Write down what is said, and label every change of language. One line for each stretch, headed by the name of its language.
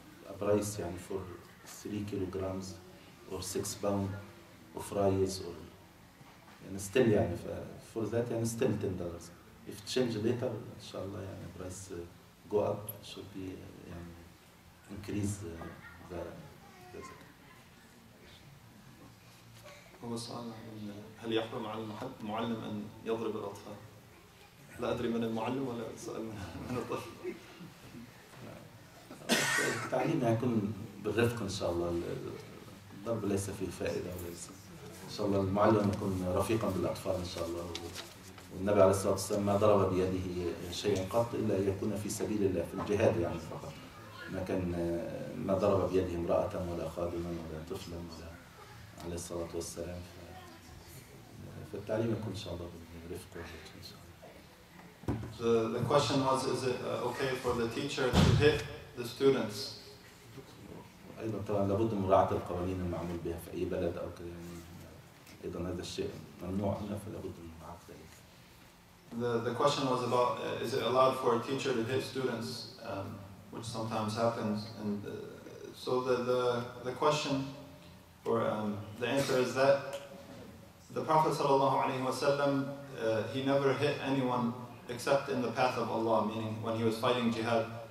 English: a price يعني for 3 kilograms or 6 pounds of rice or يعني still يعني for that يعني still $10 if change later inshallah يعني price go up should be increase the zakat.
Arabic: هو سؤال عن هل يحرم على المعلم أن يضرب الأطفال؟ لا أدري من المعلم ولا سؤال من الطفل. التعليم يكون بالرفق إن شاء الله. الضرب ليس فيه فائدة وليس. إن شاء الله المعلم يكون رفيقا بالأطفال إن شاء الله. والنبي عليه الصلاة والسلام ما ضرب بيده شيئا قط إلا يكون في سبيل الله في الجهاد يعني فقط. ما كان ما ضرب بيده امرأة ولا خادما ولا طفلا ولا عليه الصلاة والسلام فالتعليم يكون إن شاء الله
English: lift it and so on. The question was, is it okay for the teacher to hit the students?
Arabic: ايضا طبعا لابد من مراعاه القوانين المعمول بها في اي بلد او كده يعني ايضا هذا الشيء ممنوع هنا فلابد من مراعاه ذلك.
English: The question was about is it allowed for a teacher to hit students which sometimes happens and so the question or the answer is that the Prophet sallallahu alaihi wasallam he never hit anyone except in the path of Allah, meaning when he was fighting jihad.